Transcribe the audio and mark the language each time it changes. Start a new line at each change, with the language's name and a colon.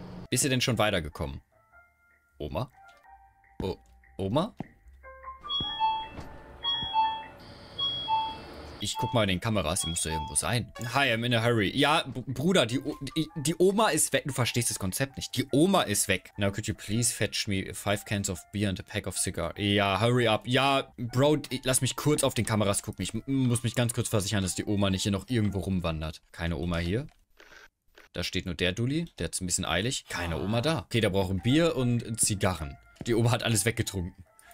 German: Ist sie denn schon weitergekommen? Oma? Oma? Ich guck mal in den Kameras, sie muss doch irgendwo sein.
English: Hi, I'm in a hurry.
German: Ja, Bruder, die Oma ist weg. Du verstehst das Konzept nicht. Die Oma ist weg.
English: Now could you please fetch me 5 cans of beer and a pack of cigars? Ja, hurry up.
German: Ja, Bro, lass mich kurz auf den Kameras gucken. Ich muss mich ganz kurz versichern, dass die Oma nicht hier noch irgendwo rumwandert. Keine Oma hier. Da steht nur der Dulli. Der ist ein bisschen eilig. Keine Oma da. Okay, da brauchen Bier und Zigarren. Die Oma hat alles weggetrunken.